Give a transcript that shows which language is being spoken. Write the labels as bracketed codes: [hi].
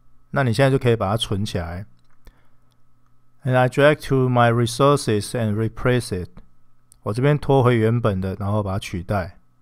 [zh] 那你现在就可以把它存起来。 [en] And I drag to my resources and replace it. [zh] 我这边拖回原本的，然后把它取代。